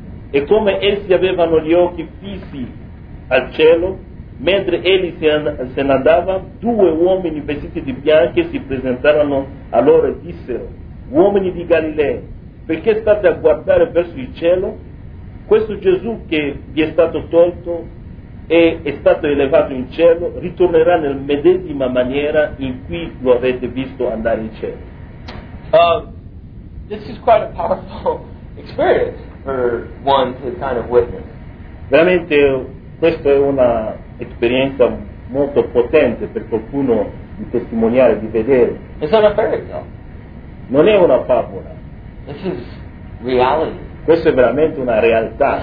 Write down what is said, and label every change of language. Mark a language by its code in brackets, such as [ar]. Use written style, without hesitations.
[it] E come essi avevano gli occhi fissi al cielo, mentre egli se ne andava, due uomini vestiti di bianco si presentarono a loro e dissero, uomini di Galilea, perché state a guardare verso il cielo? Questo Gesù che vi è stato tolto e è stato elevato in cielo ritornerà nella medesima maniera in cui lo avete visto andare in cielo. [en] This is quite a powerful experience for one to kind of witness. [it] Veramente questa è una esperienza molto potente per qualcuno di testimoniare, di vedere. [en] It's not a fairy tale. [it] Non è una favola. [en] This is reality. [it] Questo è veramente una realtà.